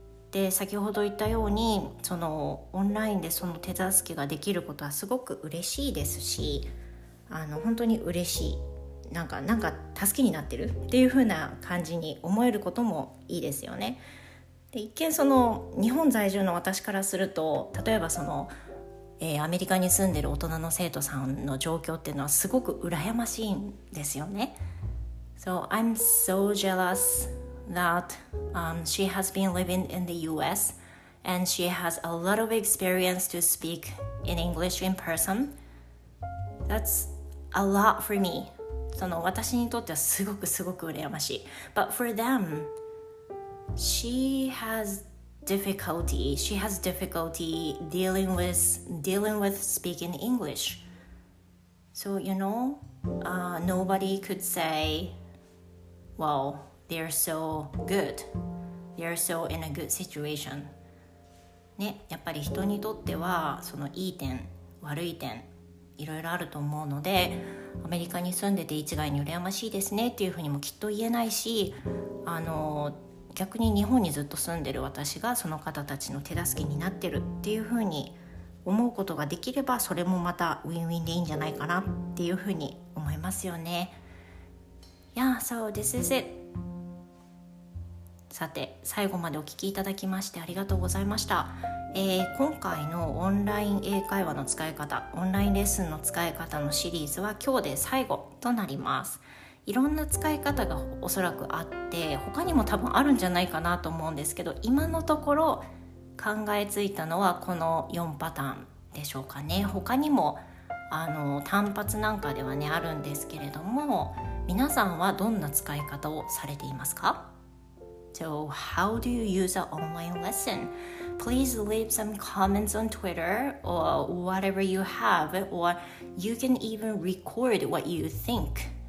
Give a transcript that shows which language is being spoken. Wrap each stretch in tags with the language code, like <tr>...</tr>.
<ja>で先ほど言ったように、そのオンラインでその手助けができることはすごく嬉しいですし、あの本当に嬉しい、なんか助けになってるっていうふうな感じに思えることもいいですよね。で一見その日本在住の私からすると、例えばそのアメリカに住んでる大人の生徒さんの状況っていうのはすごく羨ましいんですよね。</ja> <en>So I'm so jealous that she has been living in the US and she has a lot of experience to speak in English in person. That's a lot for me.</en> <ja>その私にとってはすごくすごく羨ましい。</ja> <en>But for them, she hasDifficulty. She has difficulty dealing with speaking English. So, you know, nobody could say, well, they're so good. They're so in a good situation.</en> <ja>ね、やっぱり人にとってはそのいい点、悪い点、いろいろあると思うので、アメリカに住んでて一概に羨ましいですねっていうふうにもきっと言えないし、あの逆に日本にずっと住んでる私がその方たちの手助けになってるっていうふうに思うことができれば、それもまたウィンウィンでいいんじゃないかなっていうふうに思いますよね。</ja> <en>Yeah, so this is it.</en> <ja>さて最後までお聞きいただきましてありがとうございました。今回のオンライン英会話の使い方、オンラインレッスンの使い方のシリーズは今日で最後となります。いろんな使い方がおそらくあって、他にも多分あるんじゃないかなと思うんですけど、今のところ考えついたのはこの4パターンでしょうかね。他にもあの単発なんかではねあるんですけれども、皆さんはどんな使い方をされていますか？</ja> <en>So how do you use an online lesson? Please leave some comments on Twitter or whatever you have, or you can even record what you think.</en>